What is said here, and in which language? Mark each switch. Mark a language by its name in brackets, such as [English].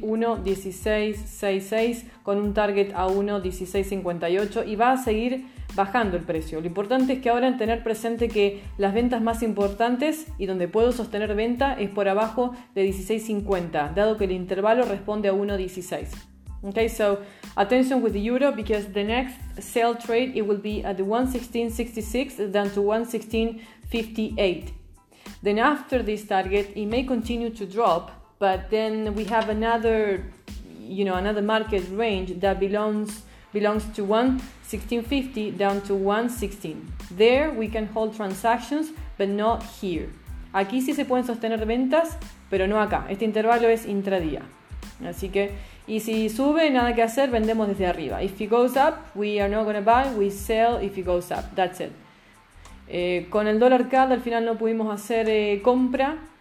[Spanish] 1.1666 con un target a 1.1658 y va a seguir bajando el precio. Lo importante es que ahora tener presente que las ventas más importantes y donde puedo sostener venta es por abajo de 1.1650, dado que el intervalo responde a 1.16. [English] Okay, so attention with the euro, because the next sell trade it will be at the 1.1666 down to 1.1658. Then after this target it may continue to drop, but then we have another, you know, another market range that belongs to 1.1650 down to 1.16. There we can hold transactions, but not here. [Spanish] Aquí sí se pueden sostener ventas, pero no acá. Este intervalo es intradía. Así que, y si sube, nada que hacer, vendemos desde arriba. [English] If it goes up, we are not going to buy, we sell if it goes up. That's it. [Spanish] Con el dólar CAD al final no pudimos hacer compra.